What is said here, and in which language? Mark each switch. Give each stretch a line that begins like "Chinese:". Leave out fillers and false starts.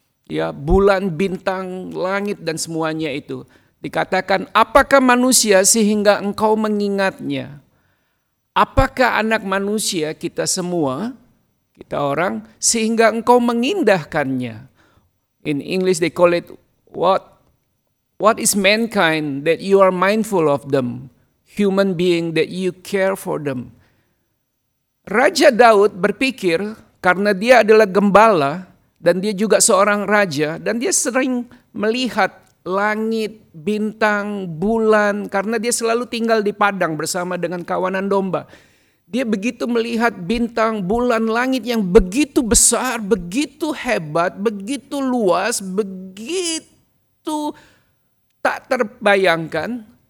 Indonesian: Ya, bulan, bintang, langit dan semuanya itu. Dikatakan, apakah manusia sehingga engkau mengingatnya? Apakah anak manusia kita semua, kita orang, sehingga engkau mengindahkannya?
English: In English they call it, what is mankind that you are mindful of them? Human being that you care for them.
Indonesian: Raja Daud berpikir, karena dia adalah gembala, dan dia juga seorang raja, dan dia sering melihat langit, bintang, bulan, karena dia selalu tinggal di padang bersama dengan kawanan domba. Dia begitu melihat bintang, bulan, langit yang begitu besar, begitu hebat, begitu luas, begitu tak terbayangkan.